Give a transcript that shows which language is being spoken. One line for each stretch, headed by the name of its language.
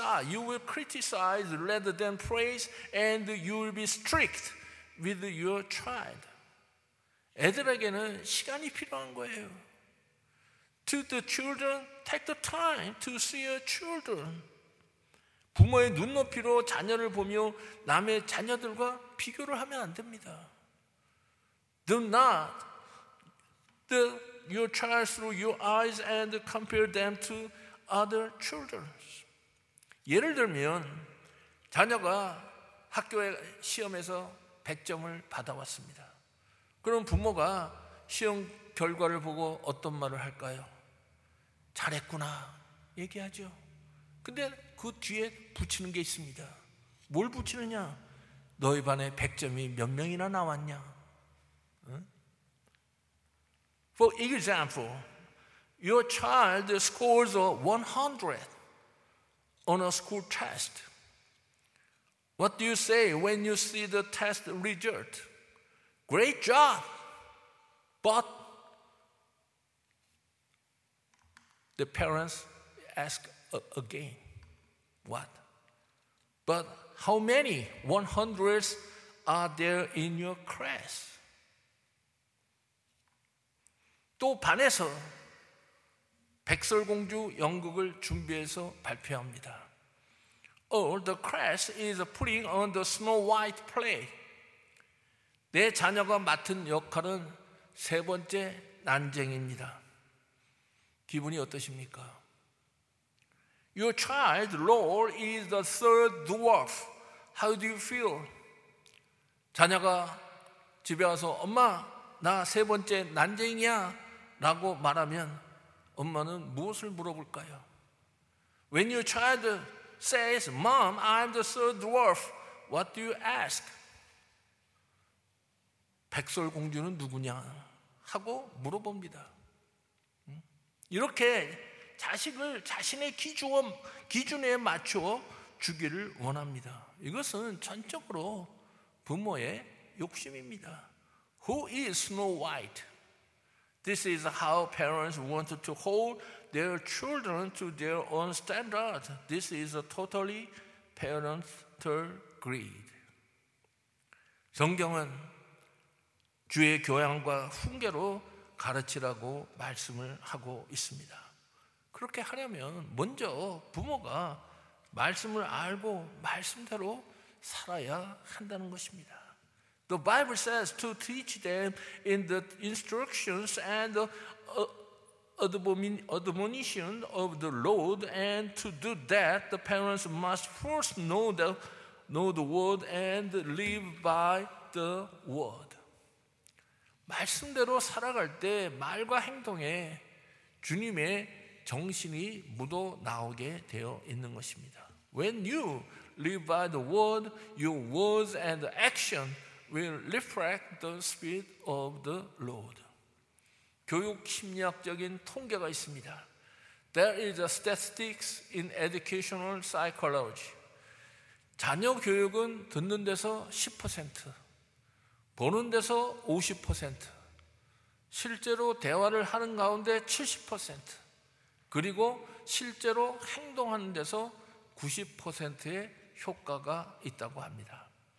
English: You will criticize rather than praise, and you will be strict with your child.
Korean: 애들에게는 시간이 필요한 거예요.
English: To the children, take the time to see your children.
Korean: 부모의 눈높이로 자녀를 보며 남의 자녀들과 비교를 하면 안 됩니다.
English: Do not look your child through your eyes and compare them to other children.
Korean: 예를 들면 자녀가 학교의 시험에서 100점을 받아왔습니다. 그럼 부모가 시험 결과를 보고 어떤 말을 할까요? 잘했구나 얘기하죠. 근데 그 뒤에 붙이는 게 있습니다. 뭘 붙이느냐? 너희 반에 100점이 몇 명이나 나왔냐? 응?
English: For example, your child scores 100 on a school test. What do you say when you see the test result? Great job, but the parents ask again, what? But how many 100s are there in your class?
Korean: 또 반에서 백설공주 연극을 준비해서 발표합니다.
English: Oh, the class is putting on the Snow White play.
Korean: 내 자녀가 맡은 역할은 세 번째 난쟁입니다. 기분이 어떠십니까?
English: Your child's role is the third dwarf. How do you feel?
Korean: 자녀가 집에 와서 엄마, 나 세 번째 난쟁이야 라고 말하면 엄마는 무엇을 물어볼까요?
English: When your child says, Mom, I'm the third dwarf, what do you ask?
Korean: 백설공주는 누구냐? 하고 물어봅니다. 이렇게 자식을 자신의 기준에 맞춰 주기를 원합니다. 이것은 전적으로 부모의 욕심입니다.
English: Who is Snow White? This is how parents want to hold their children to their own standard. This is a totally parental greed.
Korean: 성경은 주의 교양과 훈계로 가르치라고 말씀을 하고 있습니다. 그렇게 하려면 먼저 부모가 말씀을 알고 말씀대로 살아야 한다는 것입니다.
English: The Bible says to teach them in the instructions and admonition of the Lord, and to do that, the parents must first know the word and live by the word.
Korean: 말씀대로 살아갈 때 말과 행동에 주님의 정신이 묻어 나오게 되어 있는 것입니다.
English: When you live by the word, your words and action will reflect the spirit of the Lord.
Korean: 교육 심리학적인 통계가 있습니다.
English: There is a statistics in educational psychology.
Korean: 자녀 교육은 듣는 데서 10%, 보는 데서 50%, 실제로 대화를 하는 가운데 70%, 그리고 실제로 행동하는 데서 90%의 효과가 있다고 합니다.